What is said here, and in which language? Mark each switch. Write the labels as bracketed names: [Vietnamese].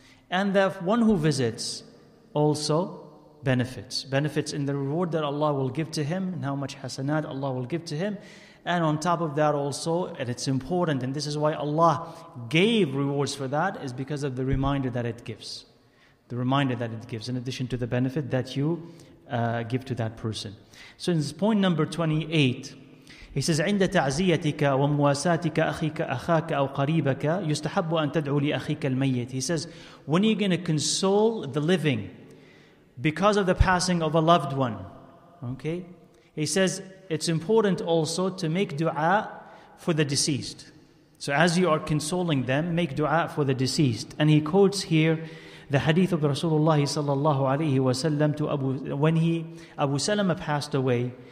[English] And the one who visits also benefits in the reward that Allah will give to him, and how much hasanat Allah will give to him. And on top of that also, and it's important, and this is why Allah gave rewards for that, is because of the reminder that it gives. The reminder that it gives, in addition to the benefit that you give to that person. So in this point number 28, he says, [Arabic] عِنْدَ تَعْزِيَتِكَ وَمُوَاسَاتِكَ أَخِيكَ أَخَاكَ أَوْ قَرِيبَكَ يُسْتَحَبُّ أَنْ تَدْعُوا لِأَخِيكَ الْمَيِّتِ. [English] He says, when are you going to console the living because of the passing of a loved one? Okay? He says, it's important also to make dua for the deceased. So as you are consoling them, make dua for the deceased. And he quotes here the hadith of Rasulullah sallallahu alayhi wa sallam to Abu, when he, Abu Salama passed away.